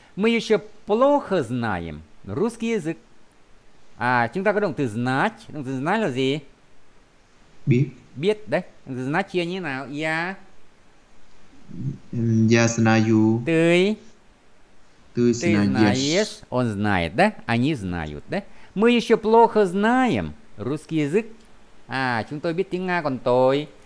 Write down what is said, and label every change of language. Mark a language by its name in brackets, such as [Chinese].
[Russian] Мы еще плохо знаем русский язык. [Vietnamese] А, chúng ta có động từ знать. Động từ знать là gì? Biết. Biết, đấy. Động từ знать chia như nào? [Russian] Я. Я Ты. Ты знаю. знаешь. Он знает, да? Они знают, да? Мы еще плохо знаем русский язык. [Vietnamese] À, chúng тôi biết tiếng Nga còn tồi.